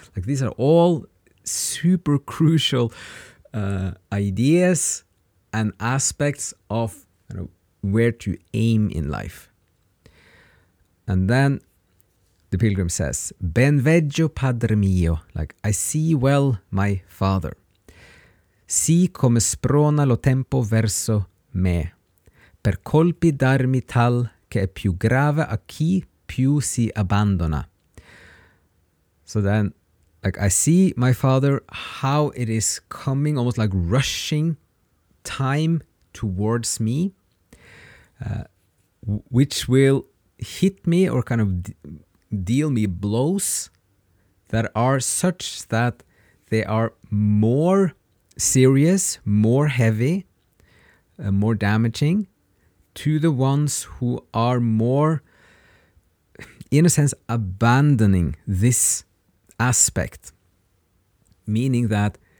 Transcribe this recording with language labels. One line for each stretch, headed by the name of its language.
English: Like these are all super crucial ideas and aspects of, you know, where to aim in life. And then the pilgrim says,
Italian: ben veggio padre mio,
English: like I see well my father.
Italian: Si come sprona lo tempo verso me, per colpi darmi tal che è più grave a chi più si abbandona.
English: So then, like, I see my father, how it is coming, almost like rushing time towards me, which will hit me or kind of deal me blows that are such that they are more serious, more heavy, more damaging to the ones who are more, in a sense, abandoning this aspect. Meaning that